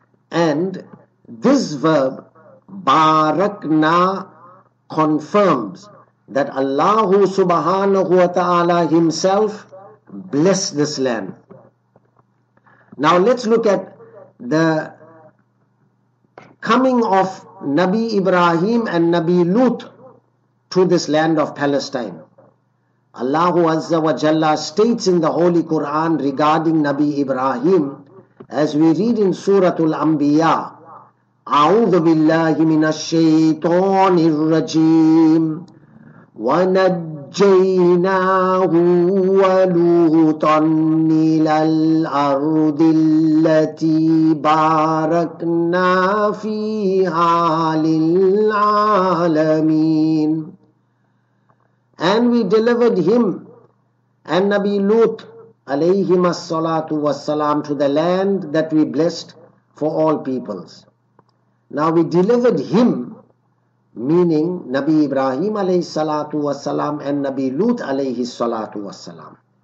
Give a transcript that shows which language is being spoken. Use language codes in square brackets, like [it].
[en] And this verb, Barakna, confirms that Allah [ar] subhanahu wa ta'ala [en] Himself blessed this land. Now let's look at the coming of Nabi Ibrahim and Nabi Lut to this land of Palestine. Allah [ar] Azza wa Jalla [en] states in the Holy Quran regarding Nabi Ibrahim, as we read in Surah Al-Anbiya, [ar] أعوذ بالله من الشيطان الرجيم ونجيناه ولوطا إلى الأرض التي باركنا فيها للعالمين. [en] And we delivered him and Nabi Lut [ar] alayhim as-salatu was-salam [en] to the land that we blessed for all peoples. Now we delivered him, meaning Nabi Ibrahim [ar] alayhi salatu wassalam [en] and Nabi Lut alayhi salatu wassalam.